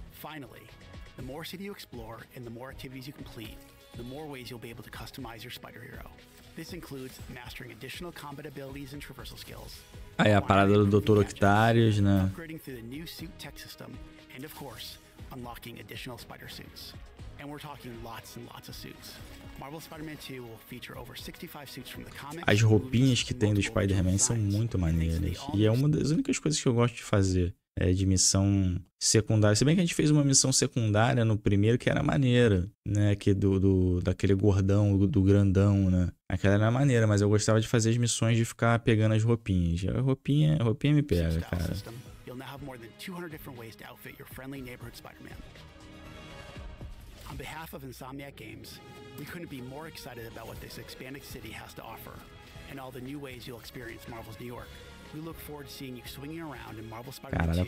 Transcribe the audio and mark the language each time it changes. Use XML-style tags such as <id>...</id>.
<en>finally, the more city you explore and the more activities you complete, the more ways you'll be able to customize your spider hero. This includes mastering additional combat abilities and traversal skills.</en> <pt>Aí a parada do Dr. Octarius, né?</pt> <en>Upgrading through the new suit tech system, and of course, unlocking additional spider suits. And we're talking lots and lots of suits. Marvel Spider-Man 2 will feature over 65 suits from the comics.</en> <pt>As roupinhas que tem do Spider-Man são muito maneiras. E é uma das únicas coisas que eu gosto de fazer. É de missão secundária. Se bem que a gente fez uma missão secundária no primeiro, que era maneira, né? Que daquele gordão, do grandão, né? Aquela era maneira, mas eu gostava de fazer as missões de ficar pegando as roupinhas. A roupinha me pega, cara.</pt> <en>You'll now have more than 200 different ways to outfit your friendly neighborhood Spider-Man. On behalf of Insomniac Games, we couldn't be more excited about what this expanded city has to offer and all the new ways you'll experience Marvel's New York. We look forward to seeing you swinging around in Marvel Spider-Man 2</en>